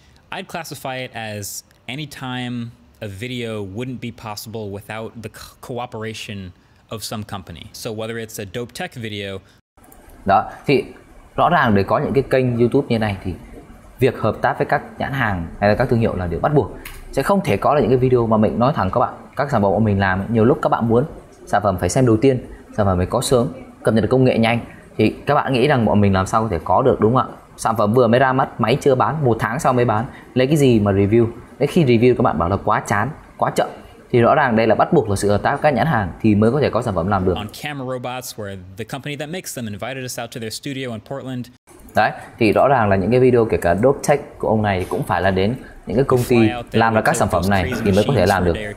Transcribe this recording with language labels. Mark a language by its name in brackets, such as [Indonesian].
[English] I'd classify it as any time a video wouldn't be possible without the cooperation of some company. So whether it's a dope tech video. [Vietnamese] Đó, thì rõ ràng để có những cái kênh YouTube như này thì việc hợp tác với các nhãn hàng hay là các thương hiệu là điều bắt buộc. Sẽ không thể có là những cái video mà mình nói thẳng các bạn, các sản phẩm của mình làm nhiều lúc các bạn muốn sản phẩm phải xem đầu tiên, sản phẩm phải có sớm, cập nhật được công nghệ nhanh, thì các bạn nghĩ rằng bọn mình làm sao có thể có được, đúng không ạ? Sản phẩm vừa mới ra mắt, máy chưa bán, một tháng sau mới bán, lấy cái gì mà review? Đấy, khi review các bạn bảo là quá chán, quá chậm, thì rõ ràng đây là bắt buộc là sự hợp tác với các nhãn hàng thì mới có thể có sản phẩm làm được. [English] On camera robots where the company that makes them invited us out to their studio in Portland. [Vietnamese] Đấy, thì rõ ràng là những cái video kể cả dope tech của ông này cũng phải là đến những cái công ty làm ra các sản phẩm này thì mới có thể làm được.